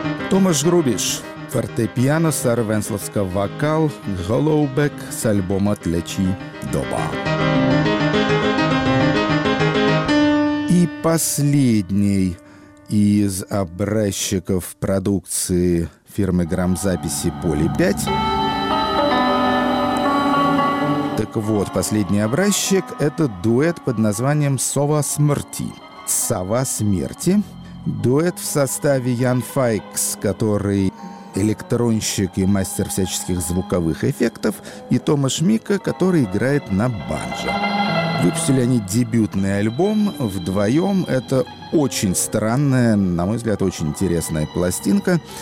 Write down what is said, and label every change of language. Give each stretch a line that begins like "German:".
Ukrainian: Томаш Грубіш, фортепіано, Сара Венсловська, вокал, «Hollowback» з альбома «Тлячі доба». І останній із образчиків продукції фірми «Грамзаписи» «Полі 5». Так от, останній образчик – це дует під названням «Сова смерті». «Сова смерті».
Russian: Дует в составе Ян Файкс, который электронщик и мастер всяческих звуковых эффектов, и Томаш Мика, который играет на банджо. Выпустили они дебютный альбом вдвоем. Это очень странная, на мой взгляд, очень интересная пластинка.